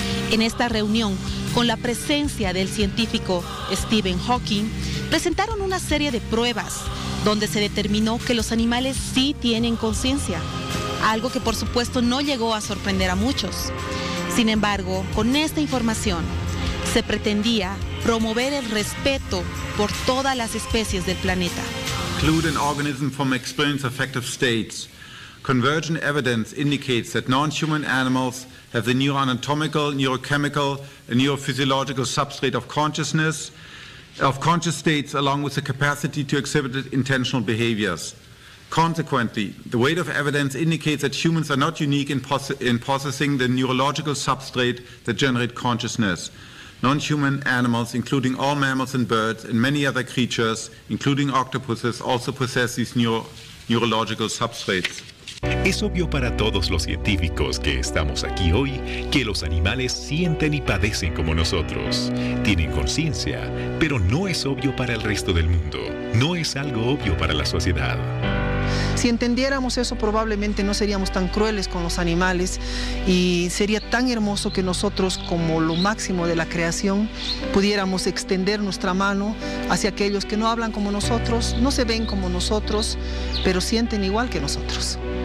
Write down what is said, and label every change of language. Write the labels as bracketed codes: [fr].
[es] En esta reunión, con la presencia del científico Stephen Hawking, presentaron una serie de pruebas donde se determinó que los animales sí tienen conciencia, algo que por supuesto no llegó a sorprender a muchos. Sin embargo, con esta información, se pretendía promover el respeto por todas las especies del planeta. [en] Include an organism from experience affective states. Convergent evidence indicates that non-human animals have the neuroanatomical, neurochemical, and neurophysiological substrate of consciousness, of conscious states, along with the capacity to exhibit intentional behaviors. Consequently, the weight of evidence indicates that humans are not unique in possessing the neurological substrate that generates consciousness. Non-human animals, including all mammals and birds and many other creatures, including octopuses, also possess these neuro neurological substrates. [es] Es obvio para todos los científicos que estamos aquí hoy que los animales sienten y padecen como nosotros. Tienen conciencia, pero no es obvio para el resto del mundo. No es algo obvio para la sociedad. Si entendiéramos eso, probablemente no seríamos tan crueles con los animales y sería tan hermoso que nosotros, como lo máximo de la creación, pudiéramos extender nuestra mano hacia aquellos que no hablan como nosotros, no se ven como nosotros, pero sienten igual que nosotros.